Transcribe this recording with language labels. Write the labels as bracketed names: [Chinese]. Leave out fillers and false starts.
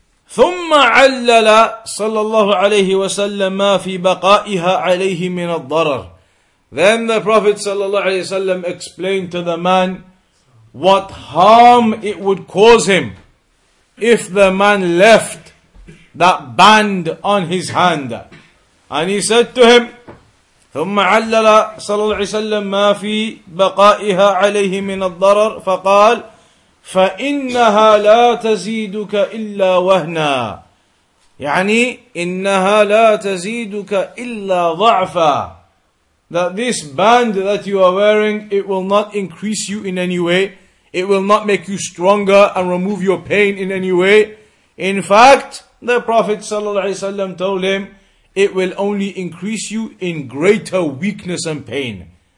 [Arabic] ثم علل صلى الله عليه وسلم ما في بقائها عليه من الضرر. [English] Then the Prophet صلى الله عليه وسلم explained to the man what harm it would cause him if the man left that band on his hand. And he said to him, [Arabic] ثم علل صلى الله عليه وسلم ما في بقائها عليه من الضرر فقال فإنها لا تزيدك إلا وهنا يعني إنها لا تزيدك إلا ضعفا. [English] That this band that you are wearing, it will not increase you in any way. It will not make you stronger and remove your pain in any way. In fact, the Prophet ﷺ told him, it will only increase you in greater weakness and pain.